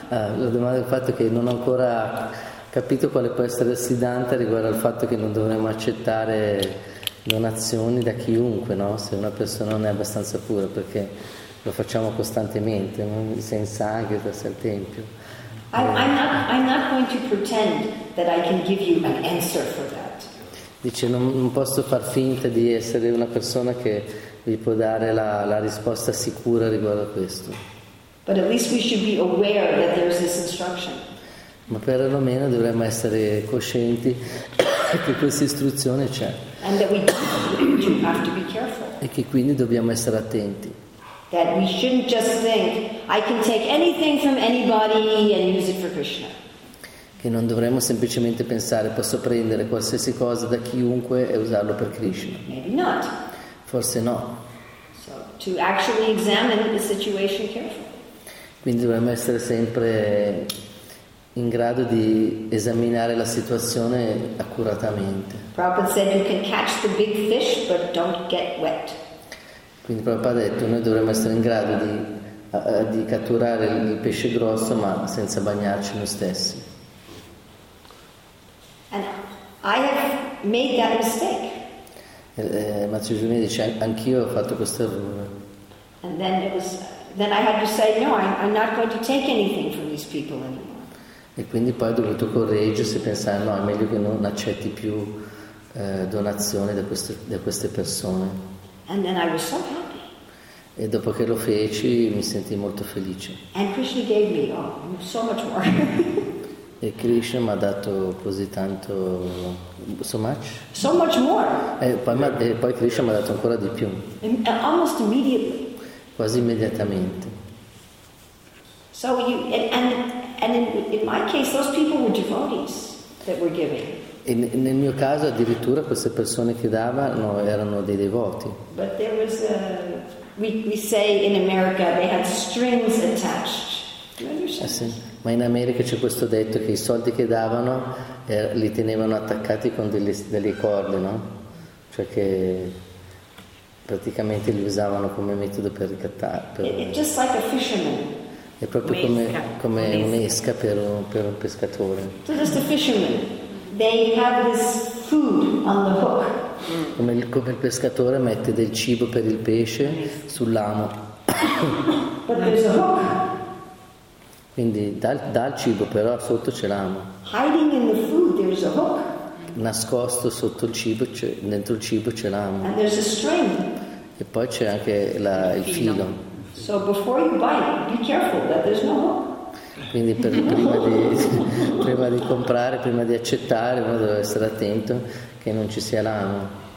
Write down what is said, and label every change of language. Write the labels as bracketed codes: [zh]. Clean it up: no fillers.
[it] La domanda è il fatto che non ho ancora capito quale può essere il Siddhanta riguardo al fatto che non dovremmo accettare donazioni da chiunque, no? Se una persona non è abbastanza pura, perché lo facciamo costantemente, senza anche verso il tempio. [en] I'm not going to pretend that I can give you an answer for that. [it] Dice, non posso far finta di essere una persona che vi può dare la risposta sicura riguardo a questo. [en] But at least we should be aware that there is this instruction. [it] Ma perlomeno dovremmo essere coscienti che questa istruzione c'è. [en] And that we do have to be careful. [it] E che quindi dobbiamo essere attenti. [en] That we shouldn't just think I can take anything from anybody and use it for Krishna. [it] Che non dovremmo semplicemente pensare posso prendere qualsiasi cosa da chiunque e usarlo per Krishna. [en] Maybe not. [it] Forse no. [en] So to actually examine the situation carefully. [it] Quindi dovremmo essere sempre in grado di esaminare la situazione accuratamente. [en] Prabhupada said you can catch the big fish but don't get wet. [it] Quindi Prabhupada ha detto noi dovremmo essere in grado di catturare il pesce grosso ma senza bagnarci noi stessi. [en] And I have made that mistake. [it] Matthew Jumini dice anch'io ho fatto questo errore. [en] And then it was then I had to say no, I'm not going to take anything from these people anymore. [it] E quindi poi ho dovuto correggersi e pensare no, è meglio che non accetti più donazioni da queste persone. [en] And then I was so happy. [it] E dopo che lo feci mi sentii molto felice. [en] And Krishna gave me so much more. [it] E Krishna mi ha dato così tanto, [en] so much? So much more. [it] E poi Krishna mi ha dato ancora di più. [en] And almost immediately. [it] Quasi immediatamente. [en] So you and in my case those people were devotees that were giving. [it] E nel mio caso addirittura queste persone che davano erano dei devoti. [en] But there was a, we say in America they had strings attached. [it] Sì. Ma in America c'è questo detto che i soldi che davano li tenevano attaccati con delle corde, no? Cioè che praticamente li usavano come metodo per ricattare. [en] Just like a fisherman. [it] È proprio come un'esca per un pescatore. [en] So just a fisherman. They have this food on the hook. [it] Come il pescatore mette del cibo per il pesce sull'amo. [en] But there's a hook. [it] Quindi dal cibo, però sotto c'è l'amo. [en] Hiding in the food, there's a hook. [it] Nascosto sotto il cibo, dentro il cibo c'è l'amo. [en] And there's a string. [it] E poi c'è anche il filo. [en] So before you bite, be careful that there's no hook. [it] Quindi prima di comprare, prima di accettare, uno deve essere attento che non ci sia l'amo.